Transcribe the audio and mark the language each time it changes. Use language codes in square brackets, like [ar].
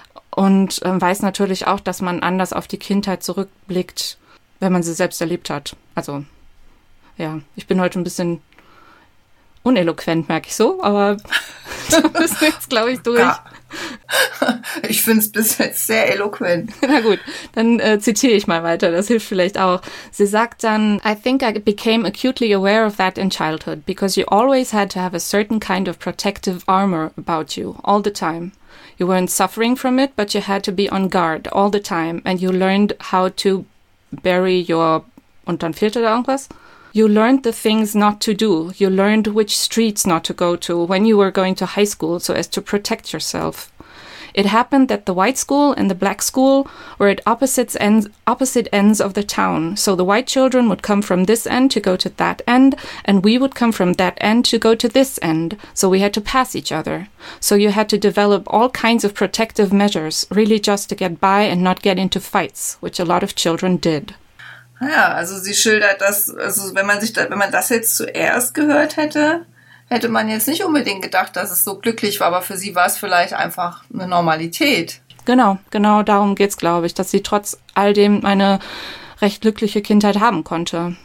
[de] Und weiß natürlich auch, dass man anders auf die Kindheit zurückblickt, wenn man sie selbst erlebt hat. Also, ja, ich bin heute ein bisschen uneloquent, merke ich so, aber du bist jetzt, glaube ich, durch. Ja. Ich finde es bis jetzt sehr eloquent. Na gut, dann zitiere ich mal weiter, das hilft vielleicht auch. Sie sagt dann, [en] I think I became acutely aware of that in childhood, because you always had to have a certain kind of protective armor about you, all the time. You weren't suffering from it, but you had to be on guard all the time and you learned how to bury your... [de] Und dann fehlte da irgendwas. [en] You learned the things not to do. You learned which streets not to go to when you were going to high school so as to protect yourself. It happened that the white school and the black school were at opposite ends of the town. So the white children would come from this end to go to that end, and we would come from that end to go to this end. So we had to pass each other. So you had to develop all kinds of protective measures, really just to get by and not get into fights, which a lot of children did. [de] Ja, also sie schildert das, also wenn man das jetzt zuerst gehört hätte, hätte man jetzt nicht unbedingt gedacht, dass es so glücklich war, aber für sie war es vielleicht einfach eine Normalität. Genau darum geht's, glaube ich, dass sie trotz all dem eine recht glückliche Kindheit haben konnte.